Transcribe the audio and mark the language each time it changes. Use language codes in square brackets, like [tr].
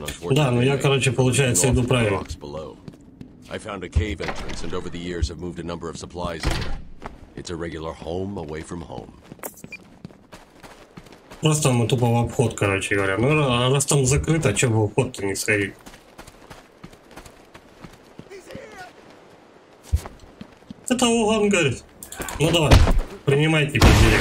[ru] Да, но я, короче, получается, иду правильно. [en] I found a cave entrance and over the years have moved a number of supplies here. It's a regular home away from home. [ru] Просто мы тупо в обход, короче говоря. Ну раз там закрыто, че в обход-то не сходить? Это Уган говорит. Ну давай. Принимайте пиздец.